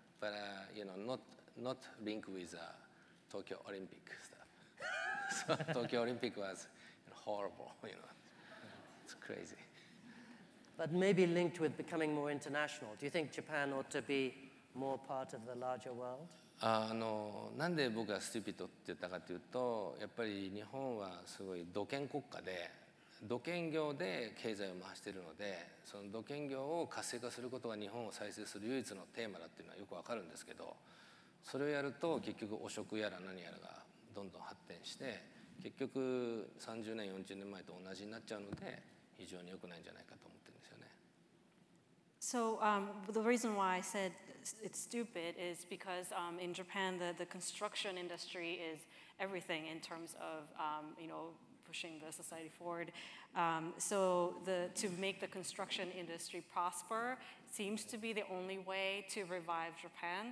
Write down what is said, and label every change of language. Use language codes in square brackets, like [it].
[en] But, you know, not linked with Tokyo Olympic stuff. So Tokyo Olympic was horrible, you know. It's crazy. But maybe linked with becoming more international. Do you think Japan ought to be more part of the larger world? [ja] なんで僕がステューピッドって言ったかというと、やっぱり日本はすごい土建国家で、土建業で経済を回しているので、その土建業を活性化することが日本を再生する唯一のテーマだっていうのはよくわかるんですけど、それをやると結局汚職やら何やらがどんどん発展して、結局30年、40年前と同じになっちゃうので、非常に良くないんじゃないかと思ってるんですよね。 [en] So the reason why I said it's stupid is because in Japan the construction industry is everything in terms of you know pushing the society forward. So to make the construction industry prosper seems to be the only way to revive Japan.